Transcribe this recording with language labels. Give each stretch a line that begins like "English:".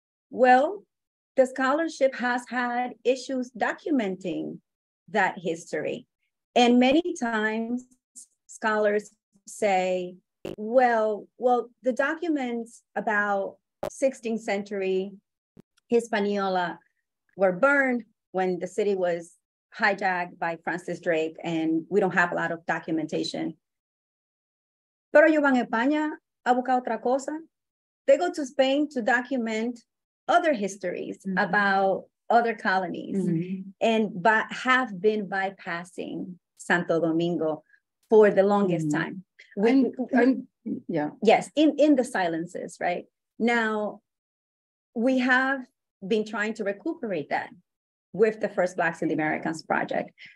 English: Well, the scholarship has had issues documenting that history, and many times scholars say, well, the documents about 16th century Hispaniola were burned when the city was hijacked by Francis Drake, and we don't have a lot of documentation.
Spanish: Pero ellos van a España a buscar otra cosa.
English: They go to Spain to document other histories about other colonies, and but have been bypassing Santo Domingo for the longest time. In the silences, right? Now, we have been trying to recuperate that with the First Blacks in the Americas project.